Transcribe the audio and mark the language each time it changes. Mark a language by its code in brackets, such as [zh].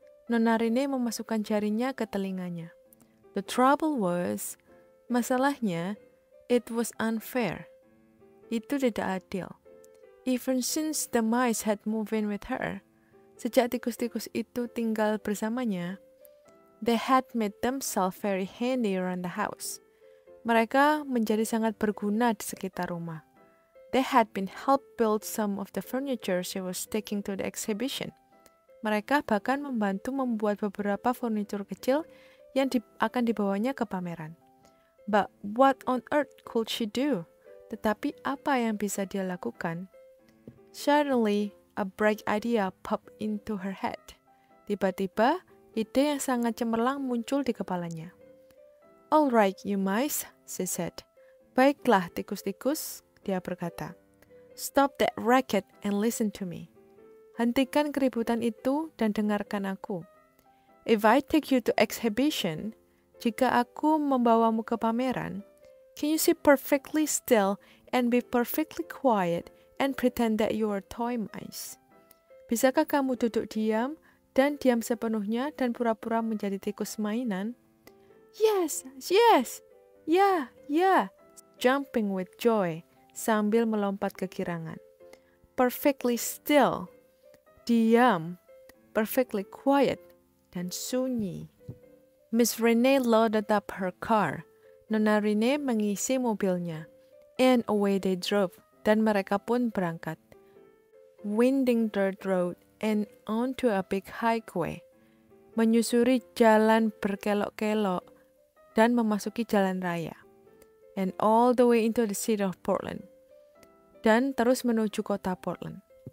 [id] Nona Renee memasukkan jarinya ke telinganya. [en] The trouble was, masalahnya, it was unfair. [id] Itu tidak adil. [en] Even since the mice had moved in with her, [id] sejak tikus-tikus itu tinggal bersamanya, [en] they had made themselves very handy around the house. [id] Mereka menjadi sangat berguna di sekitar rumah. [en] They had been helped build some of the furniture she was taking to the exhibition. [id] Mereka bahkan membantu membuat beberapa furniture kecil yang akan dibawanya ke pameran. [en] But what on earth could she do? [id] Tetapi apa yang bisa dia lakukan? [en] Suddenly, a bright idea popped into her head. [id] Tiba-tiba, ide yang sangat cemerlang muncul di kepalanya. [en] All right, you mice, she said. [id] Baiklah, tikus-tikus. Dia berkata, [en] stop that racket and listen to me. [id] Hentikan keributan itu dan dengarkan aku. [en] If I take you to exhibition, [id] jika aku membawamu ke pameran, [en] can you sit perfectly still and be perfectly quiet and pretend that you are toy mice? [id] Bisakah kamu duduk diam dan diam sepenuhnya dan pura-pura menjadi tikus mainan? [en] Yes, yes, yeah, yeah, jumping with joy. [id] Sambil melompat kegirangan. [en] Perfectly still. [id] Diam. [en] Perfectly quiet. [id] Dan sunyi. [en] Miss Renee loaded up her car. [id] Nona Renee mengisi mobilnya. [en] And away they drove. [id] Dan mereka pun berangkat. [en] Winding dirt road and onto a big highway. [id] Menyusuri jalan berkelok-kelok dan memasuki jalan raya. [en] and all the way into the city of Portland. [id] Dan terus menuju kota Portland.